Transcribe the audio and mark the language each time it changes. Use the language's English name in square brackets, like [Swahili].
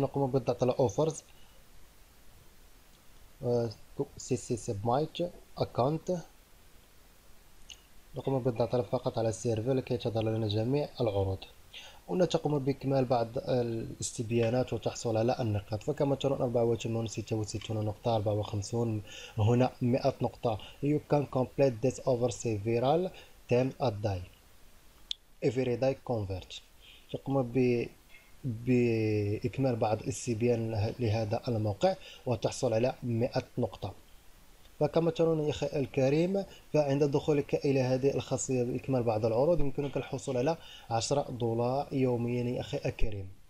[Arabic] نقوم بالضغط على اوفرز سي سي سبمايت اكونت، نقوم بالضغط فقط على السيرفر لكي تظهر لنا جميع العروض. هنا تقوم باكمال بعض الاستبيانات وتحصل على النقاط، فكما ترون 84 66 نقطة، 54 هنا 100 نقطة. [English] You can complete this over several times a day. Every day convert. [Arabic] تقوم بإكمال بعض السبيان لهذا الموقع وتحصل على 100 نقطة. فكما ترون يا أخي الكريم، فعند دخولك إلى هذه الخاصية بإكمال بعض العروض يمكنك الحصول على 10 دولار يوميا يا أخي الكريم.